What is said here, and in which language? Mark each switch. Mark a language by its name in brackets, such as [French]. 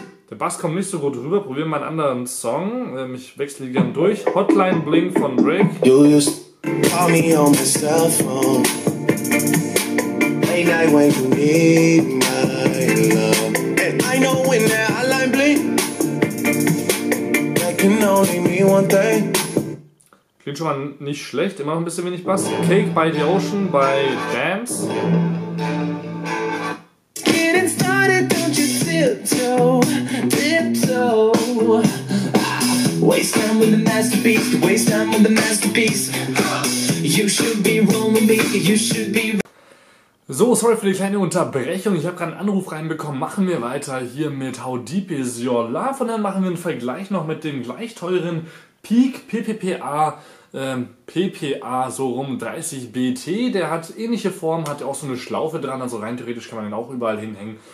[German] Der Bass kommt nicht so gut rüber, probieren mal einen anderen Song. Ich wechsle die gern durch. Hotline Bling von Drake. [English] You used to call me on my cell phone. Late night when you need my love. And I know when that hotline bling, that can only mean one thing. [German] Klingt schon mal nicht schlecht, immer noch ein bisschen wenig Bass. Cake by the Ocean bei Dams. [English] Getting started, don't you tiptoe. Waste time with the masterpiece, waste time with the masterpiece. You should be rolling me, you should be. [German] So, sorry für die kleine Unterbrechung. Ich habe gerade einen Anruf reinbekommen. Machen wir weiter hier mit How Deep Is Your Love. Und dann machen wir einen Vergleich noch mit dem gleich teuren Peak PPA, so rum 30BT. Der hat ähnliche Form, hat auch so eine Schlaufe dran. Also rein theoretisch kann man den auch überall hinhängen.